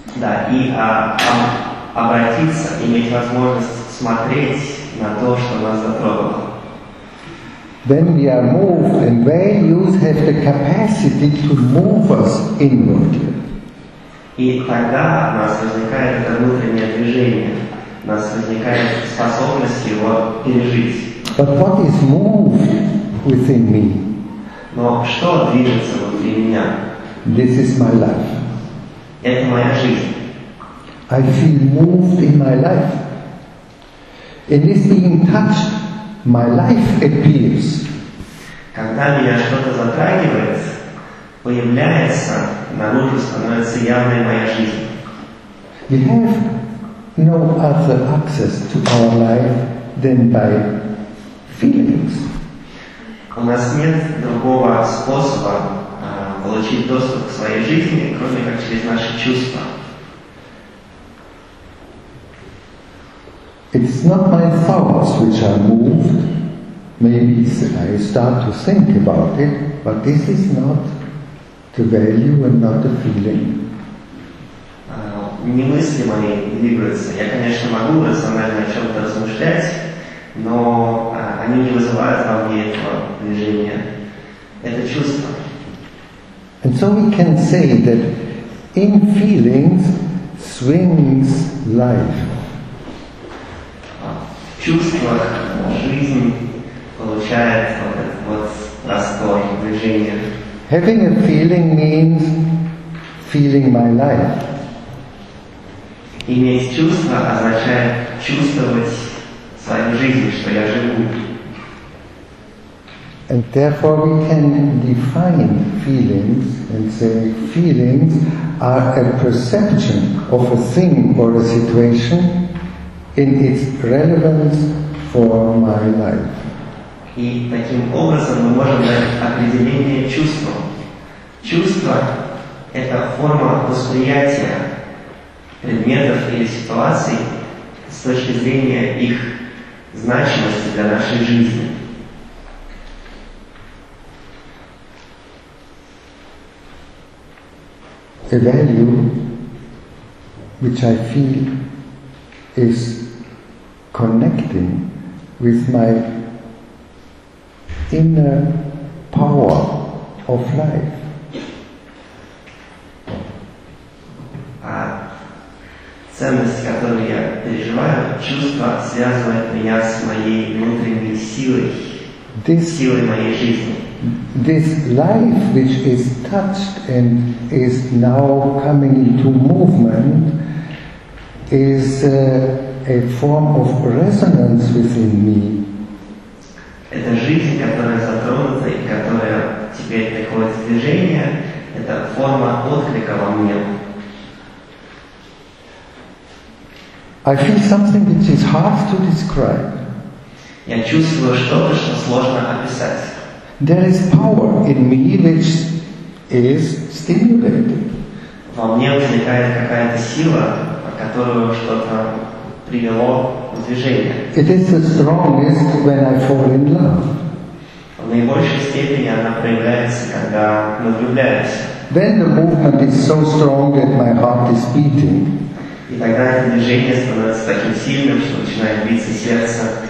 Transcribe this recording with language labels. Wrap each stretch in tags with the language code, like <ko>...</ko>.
<ru>Да, и обратиться, иметь возможность смотреть на то, что нас затронуло.</ru> <en>Then we are moved, and values have the capacity to move us inwardly.</en> <ru>И тогда у нас возникает это внутреннее движение, у нас возникает способность его пережить.</ru> <en>But what is moved within me?</en> <ru>Но что движется внутри меня?</ru> <en>This is my life.</en> <ru>Это моя жизнь.</ru> <en>I feel moved in my life. In this being touched, my life appears.</en> <ru>Когда меня что-то затрагивает, появляется, наружу становится явной моя жизнь.</ru> <en>We have no other access to our life than by feelings.</en> <ru>У нас нет другого способа получить доступ к своей жизни, кроме как через наши чувства.</ru> <en>It's not my thoughts which are moved. Maybe I start to think about it, but this is not the value and not the feeling.</en> <ru>Не мысли мои двигаются. Я, конечно, могу рационально о чем-то размышлять, но они не вызывают во мне этого движения. Это чувство.</ru> <en>And so we can say that in feelings swings life.</en> <ru>Чувства, жизнь получает вот простой движение.</ru> <en>Having a feeling means feeling my life.</en> <ru>Иметь чувство означает чувствовать свою жизнь, что я живу.</ru> <en>And therefore we can define feelings and say feelings are a perception of a thing or a situation in its relevance for my life.</en> <ru>И таким образом мы можем дать определение чувствам. Чувство – это форма восприятия предметов или ситуаций с точки зрения их значимости для нашей жизни.</ru> <en>A value which I feel is connecting with my inner power of life.</en> <ru>Ценность, которую я переживаю, чувство связывает меня с моей внутренней силой, силой моей жизни.</ru> <en>This life which is touched and is now coming into movement is a form of resonance within me.</en> <ru>Это жизнь, которая затронута и которая теперь приходит в движение, это форма отклика во мне.</ru> <en>I feel something which is hard to describe.</en> <ru>Я чувствую что-то, что сложно описать.</ru> <en>There is power in me which is stimulated.</en> <ru>Во мне возникает какая-то сила, которую что-то привело в движение.</ru> <en>It is the strongest when I fall in love.</en> <ru>В наибольшей степени она проявляется, когда мы влюбляемся.</ru> <en>Then the movement is so strong that my heart is beating.</en> <ru>И тогда это движение становится таким сильным, что начинает биться сердце.</ru>